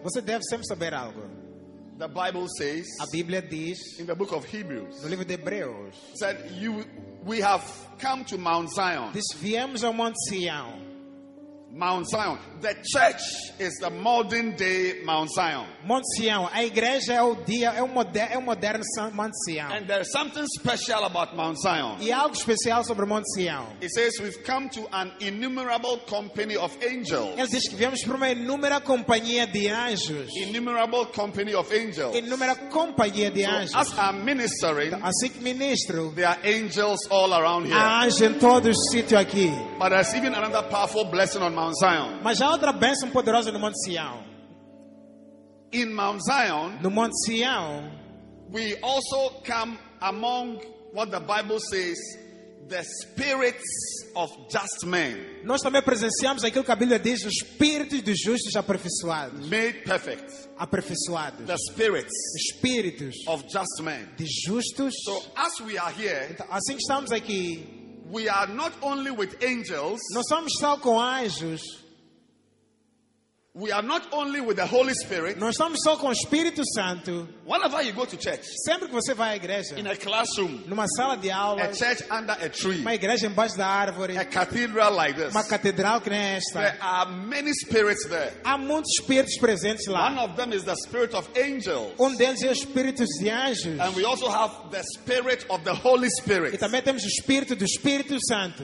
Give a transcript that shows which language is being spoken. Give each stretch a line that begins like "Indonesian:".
Portuguese: Você deve sempre saber algo.
English: The Bible says,
Portuguese: a Bíblia diz,
English: in the book of Hebrews,
Portuguese: no livro de Hebreus,
English: said, you, we have come to Mount Zion.
Portuguese: Diz, viemos ao Monte Sião.
English: Mount Zion. The church is the modern day Mount Zion.
Portuguese: Monte Sião. A igreja é o dia, é o moderno Monte Sião.
English: And there's something special about Mount Zion.
Portuguese: E algo especial sobre Monte Sião.
English: It says we've come to an innumerable company of angels.
Portuguese: Ele diz que viemos para uma inúmera companhia de anjos.
English: Innumerable company of angels.
Portuguese: Inúmera companhia de anjos.
English: So as I'm ministering,
Portuguese: assim que ministro,
English: there are angels all around here.
Portuguese: Há anjos em todo o sítio aqui.
English: But there's even another powerful blessing on Mount Zion.
Portuguese: Mas há outra bênção poderosa no Monte Sião.
English: In Mount Zion,
Portuguese: no Monte Sião,
English: we also come among what the Bible says, the spirits of just men.
Portuguese: Nós também presenciamos aquilo que a Bíblia diz, os espíritos dos justos aperfeiçoados.
English: Made perfect.
Portuguese: Aperfeiçoados.
English: The spirits.
Portuguese: Espíritos.
English: Of just men.
Portuguese: De justos.
English: So as we are here,
Portuguese: então, assim que estamos aqui,
English: we are not only with angels.
Portuguese: Nós somos só com anjos.
English: We are not only with the Holy Spirit.
Portuguese: Nós estamos só com o Espírito Santo.
English: Whenever you go to church,
Portuguese: sempre que você vai à igreja,
English: in a classroom,
Portuguese: numa sala de aula,
English: a church under a tree,
Portuguese: uma igreja embaixo da árvore,
English: a cathedral like this,
Portuguese: uma catedral que nem esta,
English: there are many spirits there.
Portuguese: Há muitos espíritos presentes lá.
English: One of them is the spirit of angels.
Portuguese: Um deles é o espírito de anjos.
English: And we also have the spirit of the Holy Spirit.
Portuguese: E também temos o espírito do Espírito Santo.